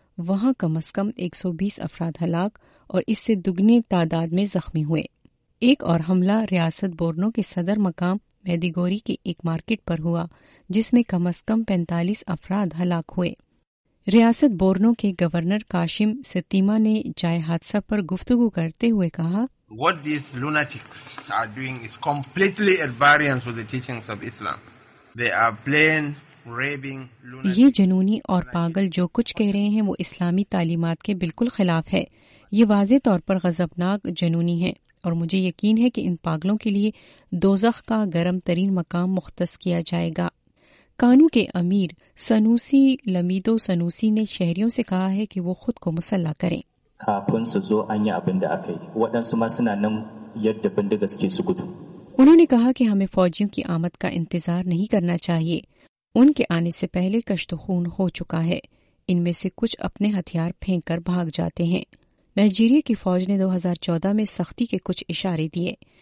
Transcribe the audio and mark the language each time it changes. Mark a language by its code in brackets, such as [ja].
[ur] وہاں کم از کم 120 افراد ہلاک اور اس سے دگنی تعداد میں زخمی ہوئے۔ ایک اور حملہ ریاست بورنو کے صدر مقام میدیگوری کے ایک مارکیٹ پر ہوا، جس میں کم از کم 45 افراد ہلاک ہوئے۔ ریاست بورنو کے گورنر قاسم ستیما نے جائے حادثہ پر گفتگو کرتے ہوئے کہا، [en] What these lunatics are doing is completely at variance with the teachings of Islam. They are plain raving lunatics. [ur] یہ جنونی اور پاگل جو کچھ کہہ رہے ہیں وہ اسلامی تعلیمات کے بالکل خلاف ہے۔ یہ واضح طور پر غضبناک جنونی ہیں، اور مجھے یقین ہے کہ ان پاگلوں کے لیے دوزخ کا گرم ترین مقام مختص کیا جائے گا۔ کانو کے امیر سنوسی لمیدو سنوسی نے شہریوں سے کہا ہے کہ وہ خود کو مسلح کریں۔ انہوں نے کہا کہ ہمیں فوجیوں کی آمد کا انتظار نہیں کرنا چاہیے، ان کے آنے سے پہلے کشت و خون ہو چکا ہے، ان میں سے کچھ اپنے ہتھیار پھینک کر بھاگ جاتے ہیں۔ نائجیریا کی فوج نے 2014 میں سختی کے کچھ اشارے دیے۔